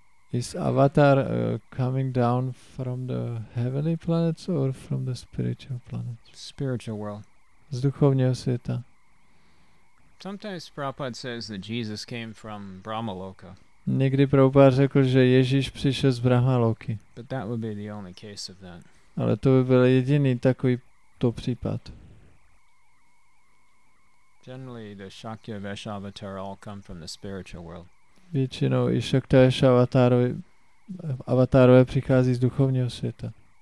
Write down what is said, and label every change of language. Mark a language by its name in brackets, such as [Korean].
[English] Is avatar coming down from the heavenly planets or from the spiritual planets? Spiritual world. [Czech] Z duchovního světa. [English] Sometimes Prabhupada says that Jesus came from Brahmaloka. [Czech] Někdy Prabhupada řekl, že Ježíš přišel z Brahmaloky. [English] But that would be the only case of that. [Czech] Ale to by byl jediný takový to případ. [English] Generally the Shakya Vesha avatar all come from the spiritual world. [Czech] Většinou i Shaktesh avatarové přichází z duchovního světa.